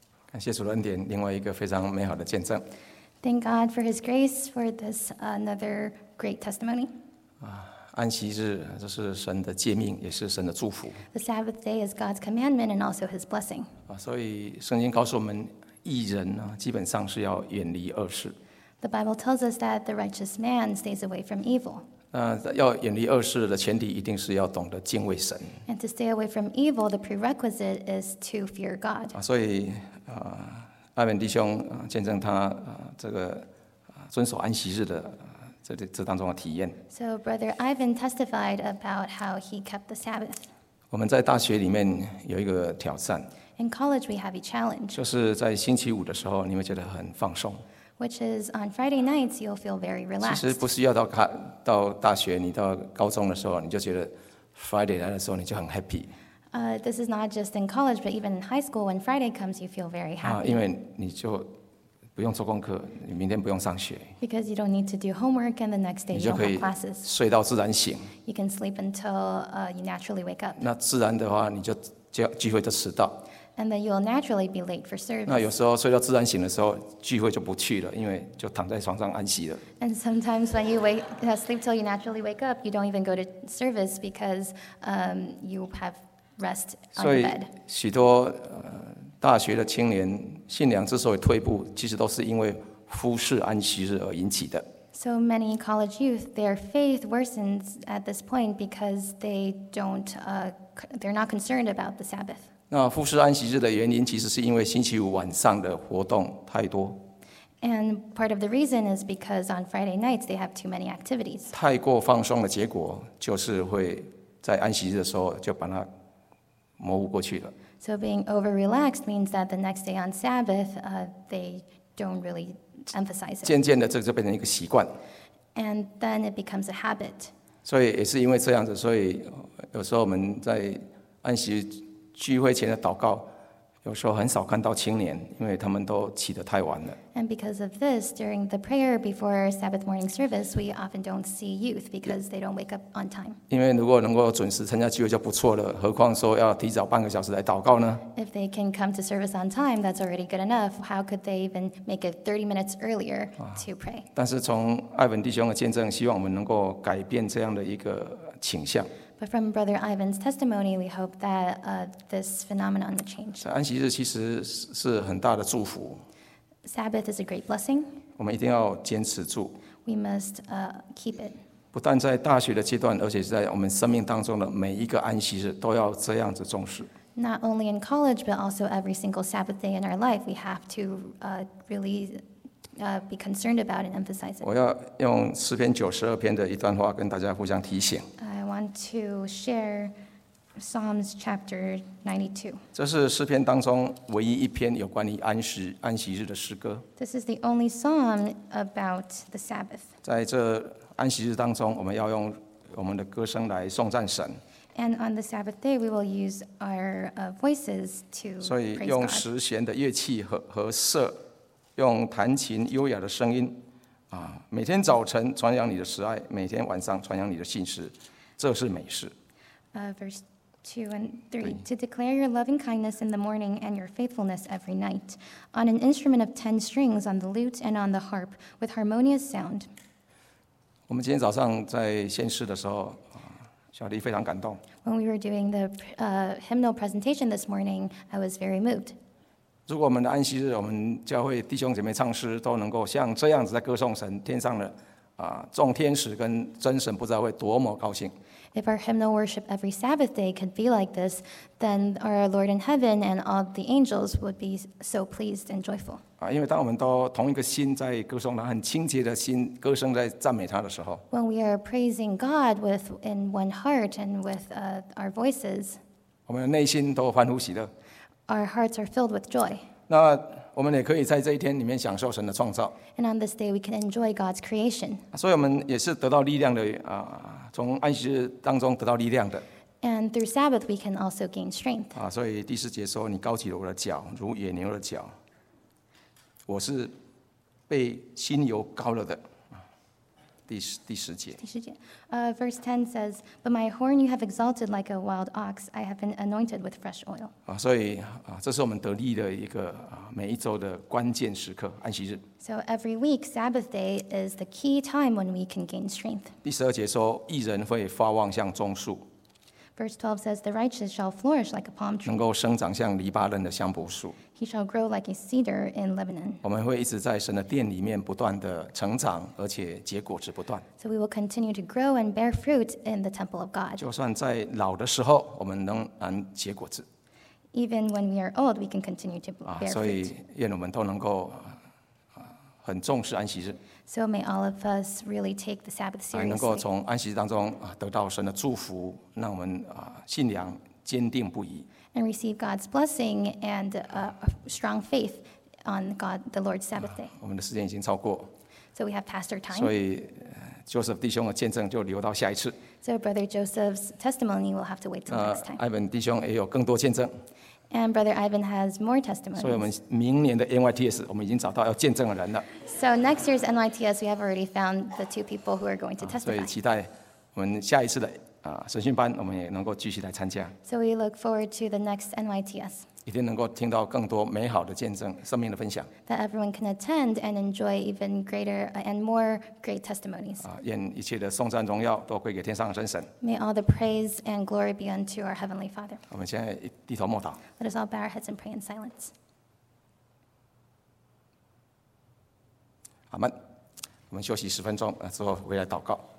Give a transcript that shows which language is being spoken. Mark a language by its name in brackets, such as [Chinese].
[Chinese] 感谢主的恩典，另外一个非常美好的见证。 [English] Thank God for His grace for this another great testimony. [Chinese] 安息日，这是神的诫命，也是神的祝福。 [English] The Sabbath day is God's commandment and also His blessing. [Chinese] 所以圣经告诉我们，义人基本上是要远离恶事。 [English] The Bible tells us that the righteous man stays away from evil. [Chinese] 要远离恶事的前提，一定是要懂得敬畏神。 [English] And to stay away from evil, the prerequisite is to fear God. [Chinese] 所以艾文弟兄见证他这个遵守安息日的这当中的体验。 [English] So Brother Ivan testified about how he kept the Sabbath. [Chinese] 我们在大学里面有一个挑战。 [English] In college, we have a challenge. [Chinese] 就是在星期五的时候，你会觉得很放松。 [English] Which is on Friday nights, you'll feel very relaxed. [Chinese] 其实不是要到大学，你到高中的时候，你就觉得 Friday 来的时候你就很 [English] happy。 This is not just in college, but even in high school, when Friday comes, you feel very happy. [Chinese] 因为你就不用做功课，你明天不用上学。 [English] Because you don't need to do homework, and the next day you don't have classes. [Chinese] 睡到自然醒。 [English] You can sleep until you naturally wake up. [Chinese] 那自然的话，你就聚会就迟到。 [English] And then you'll naturally be late for service. [Chinese] 那有时候睡到自然醒的时候，聚会就不去了，因为就躺在床上安息了。 [English] And sometimes when you sleep till you naturally wake up, you don't even go to service because you have rest on your bed. [Chinese] 所以许多大学的青年信仰之所以退步，其实都是因为忽视安息日而引起的。 [English] So many college youth, their faith worsens at this point because they don't, they're not concerned about the Sabbath. [Chinese] 那忽视安息日的原因，其实是因为星期五晚上的活动太多。 [English] And part of the reason is because on Friday nights they have too many activities. [Chinese] 太过放松的结果，就是会在安息日的时候就把它模糊过去了。 [English] So being over relaxed means that the next day on Sabbath, they don't really emphasize it. [Chinese] 渐渐的，这就变成一个习惯。 [English] And then it becomes a habit. [Chinese] 所以也是因为这样子，所以有时候我们在安息聚会前的祷告，有时候很少看到青年，因为他们都起得太晚了。 [English] And because of this, during the prayer before Sabbath morning service, we often don't see youth because they don't wake up on time. [Chinese] 因为如果能够准时参加聚会就不错了，何况说要提早半个小时来祷告呢？ [English] If they can come to service on time, that's already good enough. How could they even make it 30 minutes earlier to pray? [Chinese] 但是从艾文弟兄的见证，希望我们能够改变这样的一个倾向。 [English] But from Brother Ivan's testimony, we hope that this phenomenon will change. [Chinese] 安息日其实是很大的祝福。 [English] Sabbath is a great blessing. [Chinese] 我们一定要坚持住。 [English] We must keep it. [Chinese] 不但在大学的阶段，而且是在我们生命当中的每一个安息日都要这样子重视。 [English] Not only in college, but also every single Sabbath day in our life, we have to really be concerned about and emphasize it. [Chinese] 我要用诗篇92篇的一段话跟大家互相提醒。 [English] I want to share Psalms chapter 92. [Chinese] 这是诗篇当中唯一一篇有关于安息日的诗歌。 [English] This is the only psalm about the Sabbath. [Chinese] 在这安息日当中，我们要用我们的歌声来颂赞神。 [English] And on the Sabbath day, we will use our voices to praise God. [Chinese] 所以用十弦的乐器和瑟，用弹琴优雅的声音，啊，每天早晨传扬你的慈爱，每天晚上传扬你的信实，这是美事。 [English] Verse 2 and 3. To declare your loving kindness in the morning and your faithfulness every night, on an instrument of 10 strings, on the lute and on the harp, with harmonious sound. [Chinese] 我们今天早上在宣誓的时候，小丽非常感动。 [English] When we were doing the hymnal presentation this morning, I was very moved. [Chinese] 如果我们的安息日，我们教会弟兄姐妹唱诗都能够像这样子在歌颂神，天上的众天使跟真神不知道会多么高兴。 [English] If our hymnal worship every Sabbath day could be like this, then our Lord in heaven and all the angels would be so pleased and joyful. [Chinese] 因为当我们都同一个心在歌颂他，很清洁的心歌声在赞美他的时候， [English] when we are praising God with in one heart and with our voices, [Chinese] 我们的内心都欢呼喜乐， [English] our hearts are filled with joy. [Chinese] 那我们也可以在这一天里面享受神的创造。 [English] And on this day, we can enjoy God's creation. [Chinese] 所以我们也是得到力量的从安息日当中得到力量的。 [English] And through Sabbath, we can also gain strength. [Chinese] 所以第四节说，你高举了我的脚，如野牛的脚。我是被馨油膏了的。第十节。 [English] Verse 10 says, But my horn you have exalted like a wild ox. I have been anointed with fresh oil. [Chinese] 所以这是我们得力的一个每一周的关键时刻，安息日。 [English] So every week, Sabbath day is the key time when we can gain strength. [Chinese] 第十二节说，义人会发旺像棕树。 [English] Verse 12 says, The righteous shall flourish like a palm tree. [Chinese] 能够生长像黎巴嫩的香柏树。 [English] He shall grow like a cedar in Lebanon. [Chinese] 我们会一直在神的殿里面不断的成长，而且结果子不断。 [English] So we will continue to grow and bear fruit in the temple of God. [Chinese] 就算在老的时候，我们仍然结果子。 [English] Even when we are old, we can continue to bear fruit. [Chinese] 所以愿我们都能够很重视安息日。 [English] So may all of us really take the Sabbath seriously. [Chinese] 能够从安息日当中得到神的祝福，让我们信仰坚定不移。 [English] And receive God's blessing and a strong faith on God, the Lord's Sabbath day. [Chinese] 我们的时间已经超过。 [English] So we have passed our time. [Chinese] 所以 Joseph 弟兄的见证就留到下一次。 [English] So Brother Joseph's testimony will have to wait till next time. [Chinese] Ivan 弟兄也有更多见证。 [English] And Brother Ivan has more testimonies. [Chinese] 所以我们明年的 NYTS 我们已经找到要见证的人了。 [English] So next year's NYTS, we have already found the two people who are going to testify. [Chinese] 所以期待我们下一次的神训班，我们也能够继续来参加。 [English] So we look forward to the next NYTS. [Chinese] 一定能够听到更多美好的见证，生命的分享。 [English] That everyone can attend and enjoy even greater and more great testimonies. [Chinese] 愿一切的颂赞荣耀都归给天上的真神。 [English] May all the praise and glory be unto our heavenly Father. [Chinese] 我们现在低头默祷。 [English] Let us all bow our heads and pray in silence. [Chinese] 阿门。我们休息10分钟，之后回来祷告。